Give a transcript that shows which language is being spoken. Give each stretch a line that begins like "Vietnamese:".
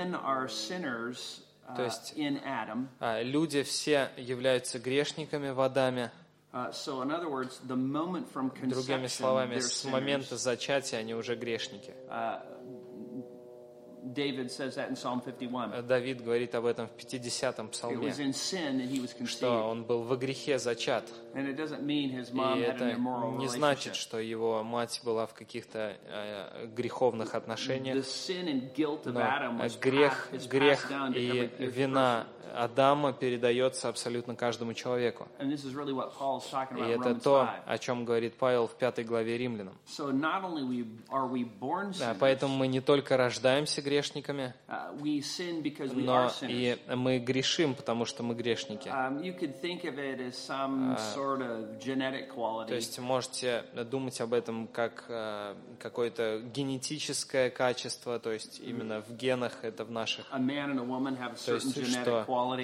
Russian: То есть люди все являются грешниками в Адаме.
English: So in other words, the moment from conception,
Russian: другими словами, с момента зачатия они уже грешники.
English: David says that in Psalm 51.
Russian: Давид говорит об этом в 50-м псалме.
English: It was in sin that he was conceived.
Russian: Что он был во грехе зачат.
English: And it doesn't mean his mom had an immoral relationship.
Russian: И это не значит, что его мать была в каких-то греховных отношениях.
English: The sin and guilt of Adam was
Russian: грех и вина Адама передается абсолютно каждому человеку.
English: And this is really what Paul's talking about.
Russian: И это то, о чем говорит Павел в 5 главе Римлянам.
English: So not only are we born sinners.
Russian: Поэтому мы не только рождаемся грешниками,
English: we sin because we
Russian: но
English: are sinners.
Russian: И мы грешим, потому что мы грешники.
English: You could think of it as some sort of genetic quality.
Russian: То есть можете думать об этом как какое-то генетическое качество, то есть именно в генах, это в наших.
English: A man and a woman have a certain genetic quality.